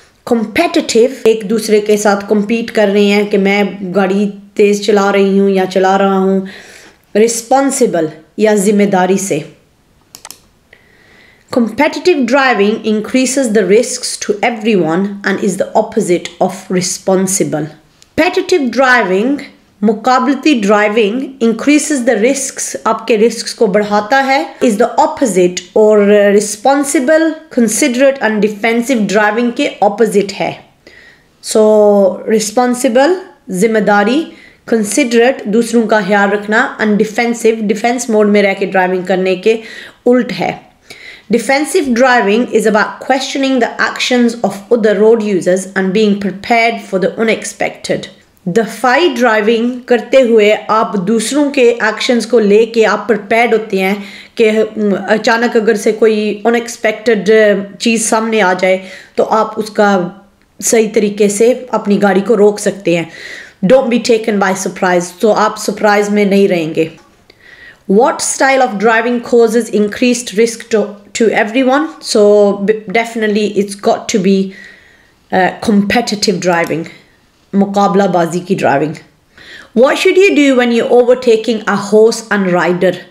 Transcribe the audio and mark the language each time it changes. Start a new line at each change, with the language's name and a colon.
Hindi: Competitive, एक दूसरे के साथ compete कर रहे हैं कि मैं गाड़ी तेज चला रही हूँ या चला रहा हूँ. Responsible, या जिम्मेदारी से.
English: Competitive driving increases the risks to everyone and is the opposite of responsible. Competitive driving, मुकाबलती driving increases the risks,
Hindi: आपके risks को बढ़ाता है,
English: is the opposite or responsible, considerate and defensive driving के opposite है.
Hindi: So responsible, जिम्मेदारी, considerate, दूसरों का ख्याल रखना, and defensive, defense mode में रह के driving करने के उल्ट है.
English: Defensive driving is about questioning the actions of other road users and being prepared for the unexpected.
Hindi: Defy driving करते हुए आप दूसरों के actions को ले के आप prepared होते हैं कि अचानक अगर से कोई unexpected चीज़ सामने आ जाए तो आप उसका सही तरीके से अपनी गाड़ी को रोक सकते हैं.
English: Don't be taken by surprise.
Hindi: तो आप surprise में नहीं रहेंगे.
English: What style of driving causes increased risk to everyone? So definitely it's got to be competitive driving.
Hindi: Muqabla bazi ki driving.
English: What should you do when you're overtaking a horse and rider?